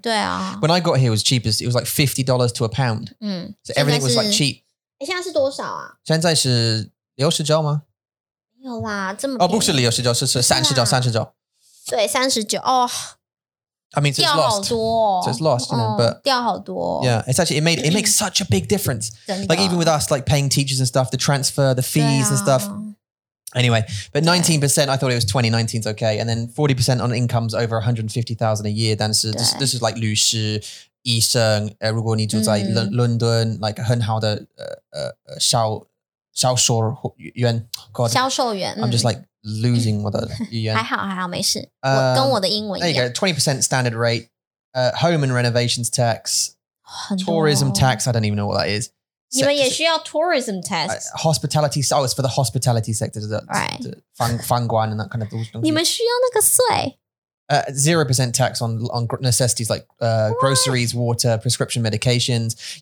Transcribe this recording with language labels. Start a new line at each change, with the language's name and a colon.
Chinese: 对啊。
English: When I got here, it was cheapest. It was like $50 to a pound. 嗯。So everything was like cheap.
Chinese: 现在是多少啊？现在是60兆吗？有啦，这么便宜。哦，不是69，是39。对，39。哦。
English: I mean, it's lost, you know, but...
Chinese: 掉好多。
English: Yeah, it's actually, it makes such a big difference. Like, even with us, like, paying teachers and stuff, the transfer, the fees and stuff. Anyway, but 19%, I thought it was 20, 19's okay. And then 40% on incomes over 150,000 a year. Then this is like
Chinese: 律师, 医生, 如果你住在伦敦,
English: like,
Chinese: 很好的, 小... 销售员,
English: God,
Chinese: 销售员,
English: I'm just like losing what the
Chinese: 语言. 还好,没事, 我跟我的英文一样。
English: There you go, 20% standard rate, home and renovations tax,
Chinese: 很多哦,
English: tourism tax, I don't even know what that is.
Chinese: 你们也需要
English: tourism tax? Hospitality, oh, it's for the hospitality sector, right.
Chinese: 房管
English: and that kind of
Chinese: 东西. 你们需要那个税?
English: 0% tax on necessities like groceries, water, prescription medications.